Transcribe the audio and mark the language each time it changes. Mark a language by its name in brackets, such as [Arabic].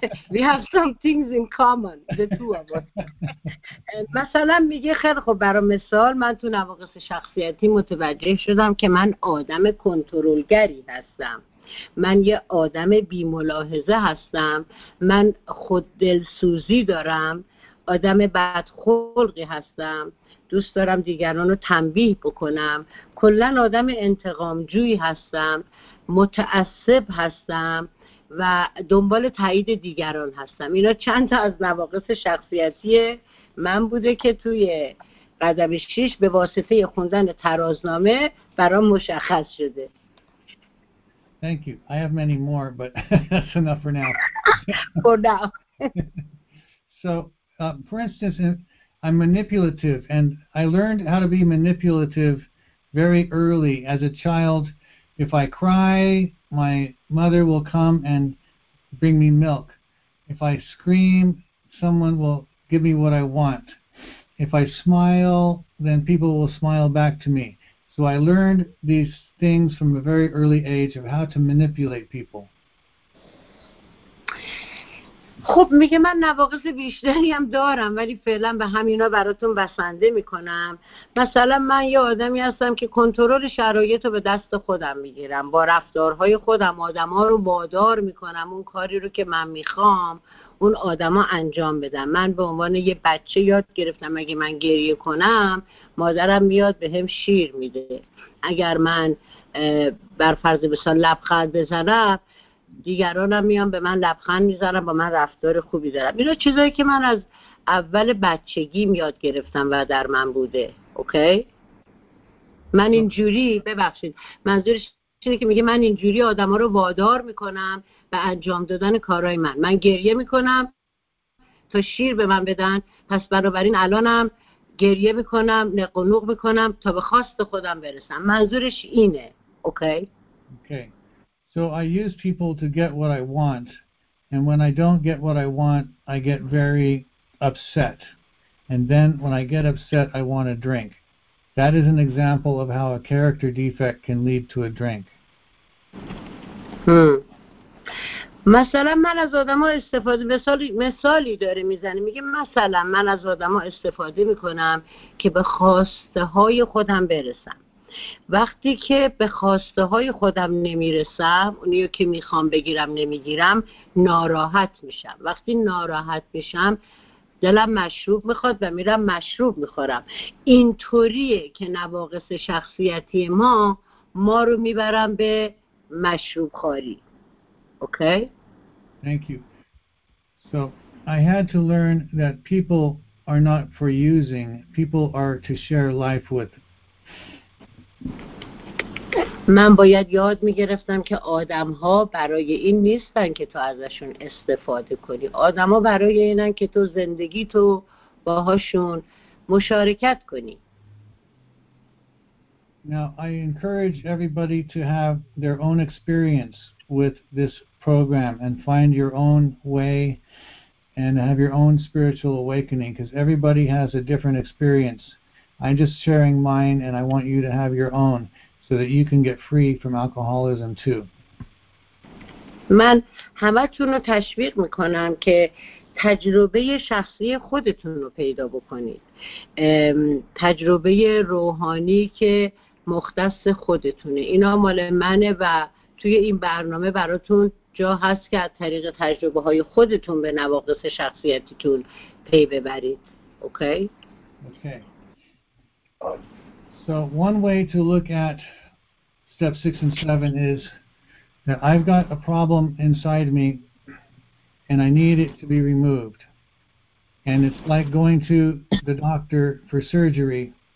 [English] we have some things in common, the two of us. [Persian] مثلا میگه خیلی خب برای مثال من تو نواقص شخصیتی متوجه شدم که من آدم کنترلگری هستم. من یه آدم بی‌ملاحظه هستم. من خود دلسوزی دارم. آدم بدخلقی هستم. دوست دارم دیگران رو تنبیه بکنم. کلن آدم انتقامجویی هستم. متعصب هستم و دنبال تایید دیگران هستم. اینا چند تا از نواقص شخصیتی من بوده که توی قدم 6 به واسطه خوندن ترازنامه برام مشخص شده. [English] Thank you. I have many more, but that's enough for now. For now. So, for instance, I'm manipulative, and I learned how to be manipulative very early as a child. If I cry, my mother will come and bring me milk. If I scream, someone will give me what I want. If I smile, then people will smile back to me. So I learned these things from a very early age of how to manipulate people. [Persian] خب میگه من نواقص بیشتری هم دارم ولی فعلا به همینا براتون بسنده میکنم. مثلا من یه آدمی هستم که کنترل شرایط رو به دست خودم میگیرم. با رفتارهای خودم آدم‌ها رو وادار میکنم اون کاری رو که من میخوام اون آدم‌ها انجام بدن. من به عنوان یه بچه یاد گرفتم اگه من گریه کنم مادرم میاد بهم شیر میده. اگر من بر فرض مثال لبخند بزنم دیگرانم میان به من لبخند میزنن با من رفتار خوبی دارن. اینا چیزایی که من از اول بچگیم یاد گرفتم و در من بوده. اوکی؟ من اینجوری ببخشید. منظورش اینه که میگه من اینجوری آدما رو وادار میکنم به انجام دادن کارهای من. من گریه میکنم تا شیر به من بدن. پس بنابراین الانم گریه میکنم، نقنوق میکنم تا به خواست خودم برسم. منظورش اینه. اوکی؟ اوکی. [English] So I use people to get what I want, and when I don't get what I want, I get very upset. And then when I get upset, I want a drink. That is an example of how a character defect can lead to a drink. [Persian] مثلا من از آدم ها استفاده مثالی داره میزنه میگه مثلا من از آدم ها استفاده میکنم که به خواسته های خودم برسم. وقتی که به خواسته های خودم نمیرسم اونیو که میخوام بگیرم نمیگیرم ناراحت میشم. وقتی ناراحت میشم دلم مشروب میخواد و میرم مشروب میخورم. این طوریه که نواقص شخصیتی ما رو میبرم به مشروب خوری. اوکی؟ [English] Thank you. So I had to learn that people are not for using. People are to share life with. [Persian] من باید یاد می‌گرفتم که آدم‌ها برای این نیستن که تو ازشون استفاده کنی. آدم‌ها برای اینن که تو زندگی تو باهاشون مشارکت کنی. [English] Now I encourage everybody to have their own experience with this program and find your own way and have your own spiritual awakening because everybody has a different experience. I'm just sharing mine and I want you to have your own so that you can get free from alcoholism too. [Persian] من همتون رو تشویق میکنم که تجربه شخصی خودتون رو پیدا بکنید. تجربه روحانی که مختص خودتونه. اینا مال منه و توی این برنامه براتون جا هست که از طریق تجربه های خودتون به نواقص شخصیتتون پی ببرید. اوکی؟ اوکی. [English] So one way to look at step 6 and 7 is that I've got a problem inside me and I need it to be removed. And it's like going to the doctor for surgery.